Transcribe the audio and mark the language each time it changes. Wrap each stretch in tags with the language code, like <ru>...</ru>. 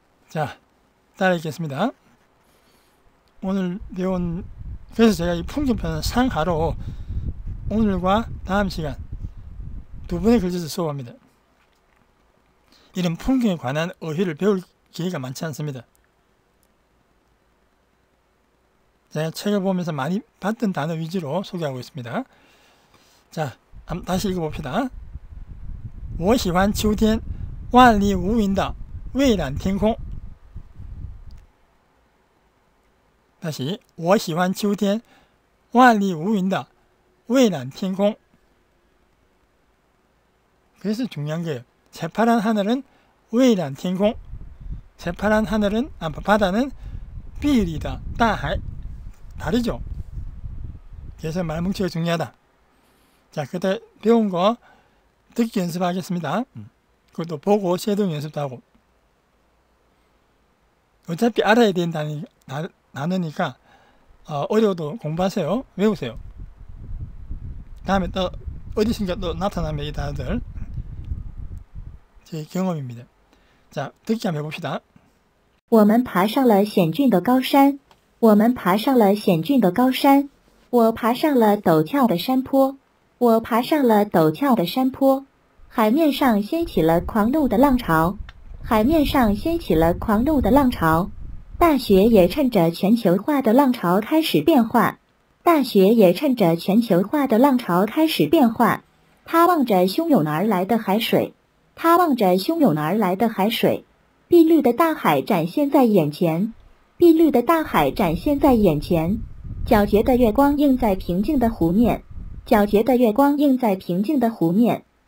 <ko>자, 따라 읽겠습니다. 오늘 배운, 그래서 제가 이 풍경편은 상하로 오늘과 다음 시간 두 번에 걸쳐서 수업합니다. 이런 풍경에 관한 어휘를 배울 기회가 많지 않습니다. 제가 책을 보면서 많이 봤던 단어 위주로 소개하고 있습니다. 자, 다시 읽어봅시다.</ko> <zh>我喜欢秋天, 万里无云的, 蔚蓝天空. 다시, 我喜欢秋天, 万里无云的, 蔚蓝天空.</zh> <ko>그래서 중요한 게, 새파란 하늘은 蔚蓝天空, 새파란 하늘은, 바다는 비리다, 大海. 다르죠? 그래서 말뭉치가 중요하다. 자, 그때 배운 거 듣기 연습하겠습니다. 그것도 보고, 쇄동 연습도 하고. 어차피 알아야 된다는 단어니까 어려워도 공부하세요. 외우세요. 다음에 또 어디선가 또 나타나면 이 단어들 제 경험입니다. 자, 듣기 한번 해봅시다.</ko> <zh>我们爬上了险峻的高山，我们爬上了险峻的高山，我爬上了陡峭的山坡，我爬上了陡峭的山坡。海面上掀起了狂怒的浪潮，海面上掀起了狂怒的浪潮，大雪也趁着全球化的浪潮开始变化，大雪也趁着全球化的浪潮开始变化，它望着汹涌而来的海水，它望着汹涌而来的海水，碧绿的大海展现在眼前，碧绿的大海展现在眼前，皎洁的月光映在平静的湖面，皎洁的月光映在平静的湖面。</zh>